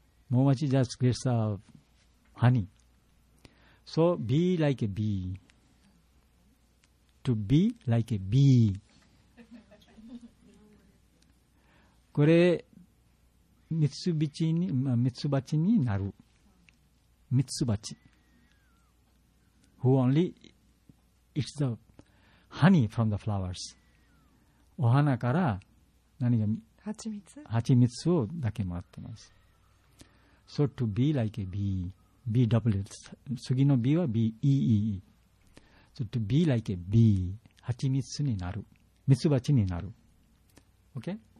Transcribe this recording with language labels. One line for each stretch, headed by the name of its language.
English: モウマチ just gets a honey。So, be like a B。 To be like a B。
Japanese: これ、ミツビチに、ミツバチになる。ミツバチ。
English: Who only eats the honey from the flowers.
Japanese: お花から何が蜂蜜、蜂蜜をだけもらってます。
English: So to be like a bee. B double. 次の B は BEE. So to be like a bee.
Japanese: 蜂蜜になる。ミツバチになる。
English: OK?